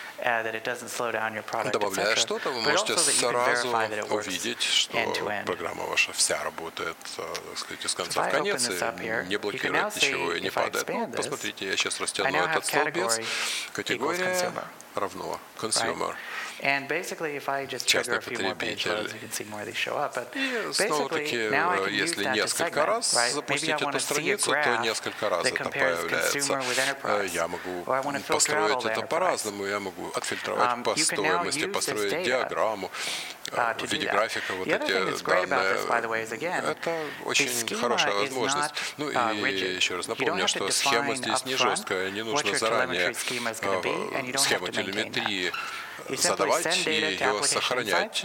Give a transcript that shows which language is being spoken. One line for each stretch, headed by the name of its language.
Russian: Добавляя что-то, вы можете сразу увидеть, что программа ваша вся работает, так сказать, с конца в конец, и не блокирует ничего и не падает. Ну, посмотрите, я сейчас растяну этот столбец. Категория равно consumer.
English: And basically, if I just trigger a few more page loads, you can see more of these show up. But basically, now I can use that segment.
Russian: Запустить эту страницу, то несколько раз это появляется. Я могу построить это по-разному. Я могу отфильтровать по стоимости, построить диаграмму в виде графика, вот эти данные. Это очень хорошая возможность. Ну и еще раз напомню, что схема здесь не жесткая, не нужно заранее схему телеметрии задавать и ее сохранять.